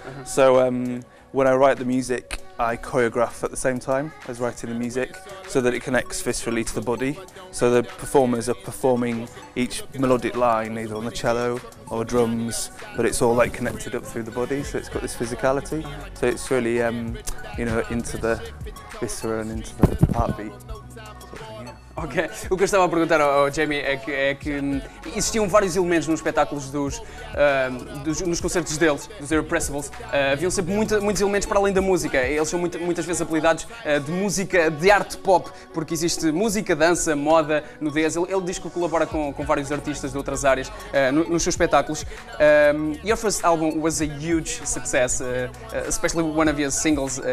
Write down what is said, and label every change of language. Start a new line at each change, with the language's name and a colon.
English: So when I write the music, I choreograph at the same time as writing the music, so that it connects viscerally to the body. So the performers are performing each melodic line, either on the cello or drums, but it's all like connected up through the body, so it's got this physicality. So it's really, you know, into the viscera and into the heartbeat.
Portuguese: Ok, o que eu estava a perguntar ao Jamie é que existiam vários elementos nos espetáculos nos concertos deles, dos Irrepressibles. Haviam sempre muitos elementos para além da música. Eles são muitas vezes apelidados de música de arte pop, porque existe música, dança, moda, nudez. Ele diz que colabora com vários artistas de outras áreas nos seus espetáculos.
English: Your first album was a huge success, especially one of your singles.